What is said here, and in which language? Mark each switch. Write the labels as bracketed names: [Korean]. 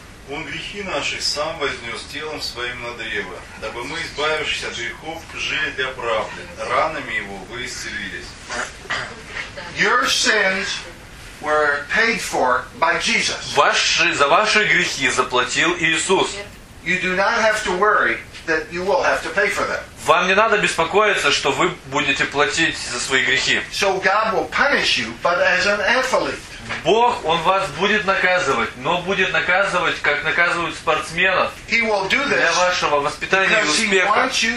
[Russian] Он грехи наши сам вознес телом своим на древо, дабы мы, избавившись от грехов, жили для правды. Ранами его вы исцелились. [English] Your sins were paid for by Jesus. [Russian] За ваши грехи заплатил Иисус. [English] You do not have to worry that you will have to pay for them. [Russian] Вам не надо беспокоиться, что вы будете платить за свои грехи. [English] So God will punish you, but as an athlete. [Russian] Бог, Он вас будет наказывать, но будет наказывать, как наказывают спортсменов для вашего воспитания и успеха.